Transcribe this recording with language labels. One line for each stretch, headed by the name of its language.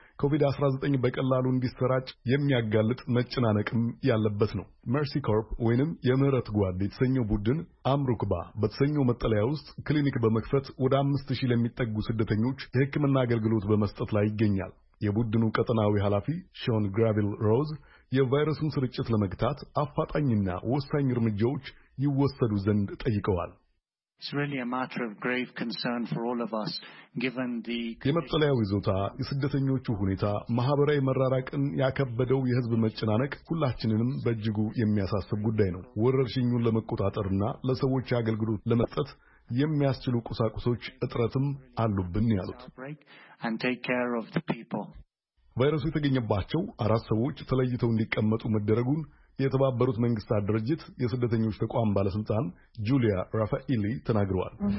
Amharic: ኮቪድ-19 በቀላሉ እንዲሰራጭ የሚያጋልጥ መጨናነቅም ያለበት ነው። መርሲ ኮርፕ ወይንም የምህረት ጓድ የተሰኘው ቡድን አምሩክባ በተሰኘው መጠለያ ውስጥ ክሊኒክ በመክፈት ወደ 5,000 ለሚጠጉ ስደተኞች የሕክምና አገልግሎት በመስጠት ላይ ይገኛል። የቡድኑ ቀጠናዊ ኃላፊ ሾን ግራቪል ሮዝ የቫይረሱን ስርጭት ለመግታት አፋጣኝና ወሳኝ እርምጃዎች ይወሰዱ ዘንድ ጠይቀዋል።
English: It's really a matter of grave concern for all of us given the
Amharic: የመጠለያው ይዞታ የስደተኞቹ ሁኔታ ማህበራዊ መራራቅን ያከበደው የህዝብ መጨናነቅ ሁላችንንም በእጅጉ የሚያሳስብ ጉዳይ ነው። ወረርሽኙን ለመቆጣጠርና ለሰዎች አገልግሎት ለመስጠት የሚያስችሉ ቁሳቁሶች እጥረትም አሉብን ያሉት
English: and take care of the people
Amharic: ቫይረሱ የተገኘባቸው አራት ሰዎች ተለይተው እንዲቀመጡ መደረጉን የተባበሩት መንግስታት ድርጅት የስደተኞች ተቋም ባለስልጣን ጁሊያ ራፋኤሊ ተናግረዋል።